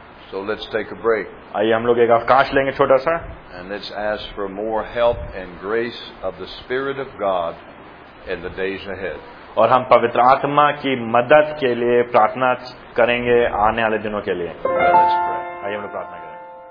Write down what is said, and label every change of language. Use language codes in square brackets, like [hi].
[en] So let's take a break. [hi] आइए हम लोग एक अवकाश लेंगे छोटा सा. [en] And let's ask for more help and grace of the Spirit of God in the days ahead. [hi] और हम पवित्र आत्मा की मदद के लिए प्रार्थना करेंगे आने वाले दिनों के लिए. [en] Let's pray. [hi] आइए हम लोग प्रार्थना करें.